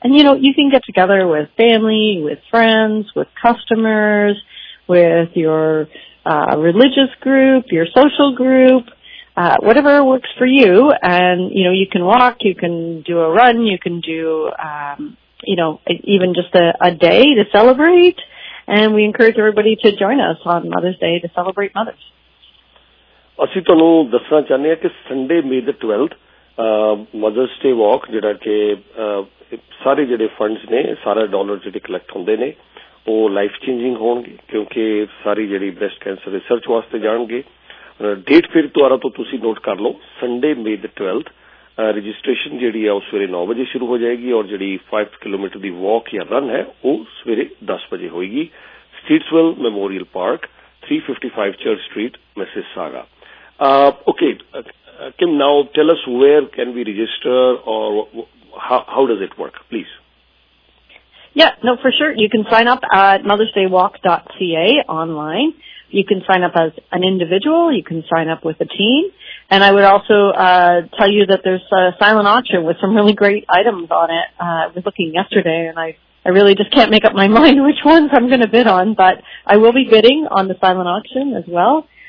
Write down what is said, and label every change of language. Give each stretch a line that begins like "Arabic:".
English: And, you know, you can get together with family, with friends, with customers, with your religious group, your social group, whatever works for you. And, you know, you can walk, you can do a run, you can do, you know, even just a day to celebrate. And we encourage everybody to join us on Mother's Day to celebrate mothers.
Punjabi: ਅਸੀਂ ਤੁਹਾਨੂੰ ਦੱਸਣਾ ਚਾਹੁੰਦੇ ਹਾਂ ਕਿ Sunday ਮੇ ਦਾ 12th mothers ਡੇ ਵਾਕ ਜਿਹੜਾ ਕਿ ਸਾਰੇ ਜਿਹੜੇ ਫੰਡਸ ਨੇ ਸਾਰੇ ਡਾਲਰ ਜਿਹੜੇ ਕਲੈਕਟ ਹੁੰਦੇ ਨੇ ਉਹ ਲਾਈਫ ਚੇਂਜਿੰਗ ਹੋਣਗੇ ਕਿਉਂਕਿ ਸਾਰੀ ਜਿਹੜੀ ਬ੍ਰੈਸਟ ਕੈਂਸਰ ਰਿਸਰਚ ਵਾਸਤੇ ਜਾਣਗੇ ਡੇਟ ਫਿਰ ਦੁਆਰਾ ਤੋਂ ਤੁਸੀਂ ਨੋਟ ਕਰ ਲਓ ਸੰਡੇ ਮੇ ਦਾ 12th ਰਜਿਸਟ੍ਰੇਸ਼ਨ ਜਿਹੜੀ ਆ ਉਹ ਸਵੇਰੇ 9 ਵਜੇ ਸ਼ੁਰੂ ਹੋ ਜਾਏਗੀ ਔਰ ਜਿਹੜੀ 5 ਕਿਲੋਮੀਟਰ ਦੀ ਵਾਕ ਜਾਂ ਰਨ ਹੈ ਉਹ ਸਵੇਰੇ 10 ਵਜੇ ਹੋਏਗੀ ਸਟੀਟਸਵੈਲ memorial park 355 church street Mississauga
English: okay, Kim, now tell us where can we register or how does it work, please? Yeah, no, for sure. You can sign up at mothersdaywalk.ca online. You can sign up as an individual. You can sign up with a team. And I would also tell you that there's a silent auction with some really great items on it. I was looking yesterday, and I really just can't make up my mind which ones I'm going to bid on, but I will be bidding on the silent auction as well.